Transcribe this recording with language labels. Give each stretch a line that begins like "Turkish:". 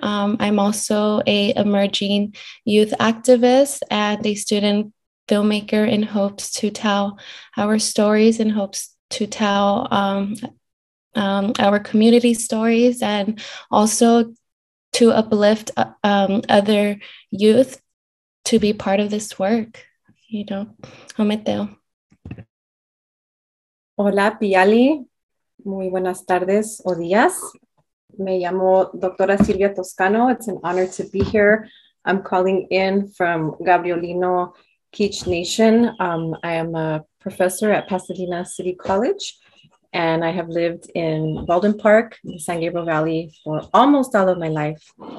English: I'm also a emerging youth activist and a student filmmaker in hopes to tell our stories, in hopes to tell our community stories and also to uplift other youth to be part of this work, you know.
Nahuatl languages: Ometeo.
Spanish: Hola, Piali. Muy buenas tardes o días. Me llamo Doctora Silvia Toscano.
English: It's an honor to be here. I'm calling in from Gabrielino Kich Nation. I am a professor at Pasadena City College, and I have lived in Baldwin Park, the San Gabriel Valley, for almost all of my life.